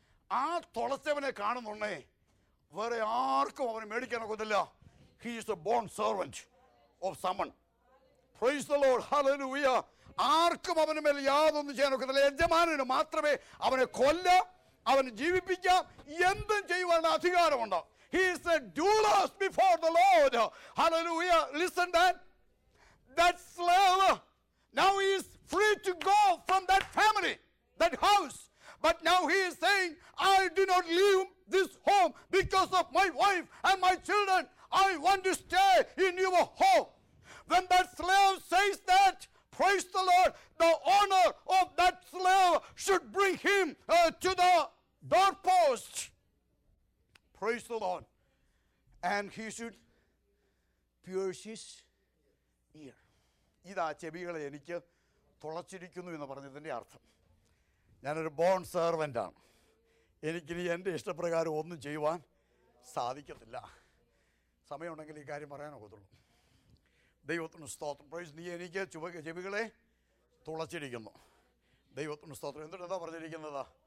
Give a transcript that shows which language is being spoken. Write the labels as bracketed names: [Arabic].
[Malayalam] ആ തുളച്ചവനെ കാണുന്നുണ്ടേ വേറെ ആർക്കും അവനെ മേടിക്കാൻ ഒക്കത്തില്ല. [English] He is a born servant of someone. Praise the Lord, hallelujah. [Malayalam] ആർക്കും അവന് മേൽ യാതൊന്നും ചെയ്യാൻ ഒക്കത്തില്ല. യജമാനന് മാത്രമേ അവനെ കൊല്ല, അവനെ ജീവിപ്പിക്കാം, എന്തും ചെയ്യുവാനുള്ള അധികാരമുണ്ട്. [English] He is a doulos before the Lord. Hallelujah. Listen then. That slave, now he is free to go from that family, that house. But now he is saying, I do not leave this home because of my wife and my children. I want to stay in your home. When that slave says that, praise the Lord, the owner of that slave should bring him to the doorpost. Praise the Lord. And he should pierce his ear. [Malayalam] ഇതാ ചെവികളെ എനിക്ക് തുളച്ചിരിക്കുന്നു എന്ന് പറഞ്ഞതിൻ്റെ അർത്ഥം. ഞാനൊരു bone സെർവൻ്റാണ്, എനിക്കിനി എൻ്റെ ഇഷ്ടപ്രകാരം ഒന്നും ചെയ്യുവാൻ സാധിക്കത്തില്ല. സമയമുണ്ടെങ്കിൽ ഈ കാര്യം പറയാനൊക്കത്തുള്ളൂ. ദൈവത്തിന് സ്തോത്രം. പ്രൈസ്, നീ എനിക്ക് ചെവികളെ തുളച്ചിരിക്കുന്നു. ദൈവത്തിന് സ്തോത്രം. എന്തുകൊണ്ട് എന്താ പറഞ്ഞിരിക്കുന്നത്?